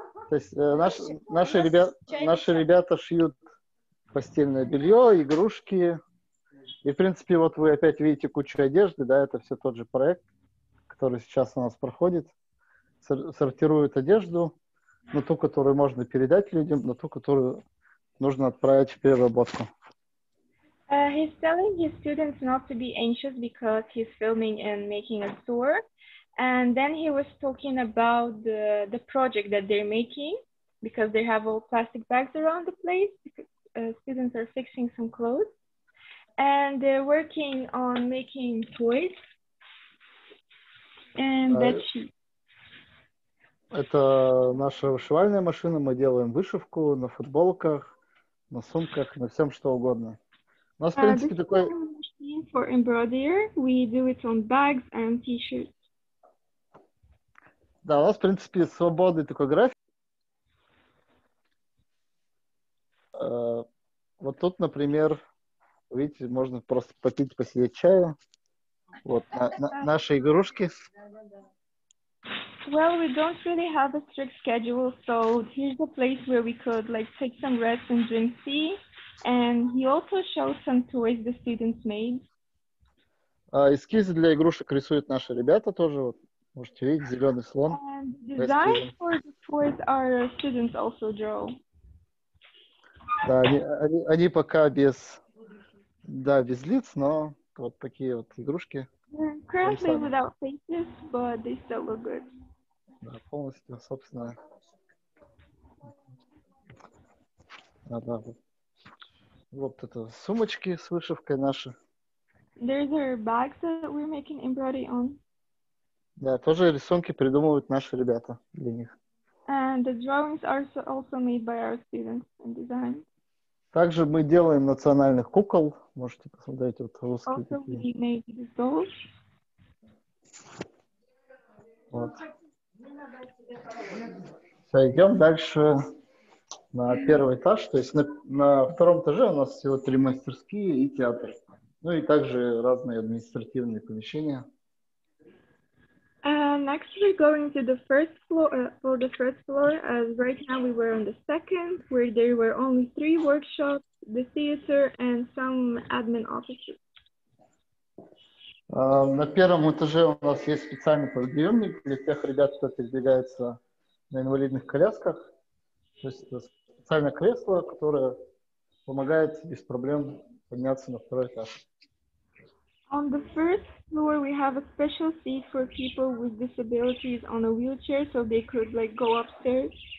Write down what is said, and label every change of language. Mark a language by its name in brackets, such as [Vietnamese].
[Russian] То есть наши ребята шьют постельное белье, игрушки. И, в принципе, вот вы опять видите кучу одежды, да, это все тот же проект, который сейчас у нас проходит. Сортируют одежду на ту, которую можно передать людям, на ту, которую нужно отправить в переработку. [English] He's telling his students not to be anxious because he's filming and making a tour. And then he was talking about the project that they're making because they have all plastic bags around the place. Students are fixing some clothes. And they're working on making toys. And that's... [Russian] Это наша вышивальная машина. Мы делаем вышивку на футболках, на сумках, на всем, что угодно. У нас, в принципе, такой... [English] For embroidery, we do it on bags and t-shirts. [Russian] Да, у нас, в принципе, свободный такой график. Вот тут, например, видите, можно просто попить, посидеть чаю. Вот, наши игрушки. [English] Well, we don't really have a strict schedule, so here's a place where we could, like, take some rest and drink tea. And he also showed some toys the students made. [Russian] Эскизы для игрушек рисуют наши ребята тоже. Вот, можете видеть, зеленый слон. [English] And design for the toys our students also draw. [Russian] Да, они пока без, да, без лиц, но вот такие вот игрушки. [English] Currently without faces, but they still look good. [Russian] Да, полностью, собственно. Да, да. Вот это сумочки с вышивкой наши. [English] There's our bags that we're making embroidery on. [Russian] Да, тоже рисунки придумывают наши ребята для них. [English] And the drawings are also made by our students in design. [Russian] Также мы делаем национальных кукол. Можете посмотреть, вот русские [English] also [Russian] такие. [English] Also, we made the dolls. [Russian] Вот. Все, идем дальше на первый этаж. То есть на втором этаже у нас всего три мастерские и театр. Ну и также разные административные помещения. [English] Next, we're going to the first floor, for the first floor, as right now we were on the second, where there were only three workshops, the theater, and some admin offices. [Russian] На первом этаже у нас есть специальный подъемник для тех ребят, кто передвигается на инвалидных колясках. То есть это специальное кресло, которое помогает без проблем подняться на второй этаж. [English] On the first floor, we have a special seat for people with disabilities on a wheelchair, so they could, like, go upstairs.